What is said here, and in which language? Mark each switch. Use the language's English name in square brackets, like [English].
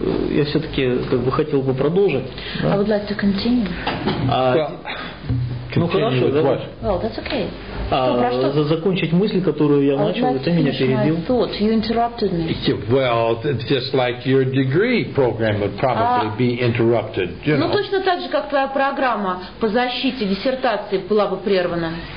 [Russian] Я все-таки как бы хотел бы продолжить. [English] I would like to continue. [Russian] Ну хорошо, да? [English] Well, that's okay. [Russian] За закончить мысль, которую я начал, ты меня перебил. [English] You interrupted me. Well, just like your degree program would probably be interrupted. You know. [Russian] Ну точно так же, как твоя программа по защите диссертации была бы прервана.